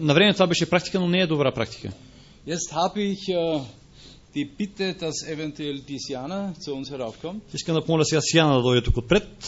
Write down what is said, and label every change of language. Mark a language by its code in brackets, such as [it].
[bg] На време това беше практика, но не е добра практика. [de] Jetzt habe ich die Bitte, dass eventuell die Siana zu uns heraufkommt. [bg] Искам да помоля сега Сиана да дойде тук отпред.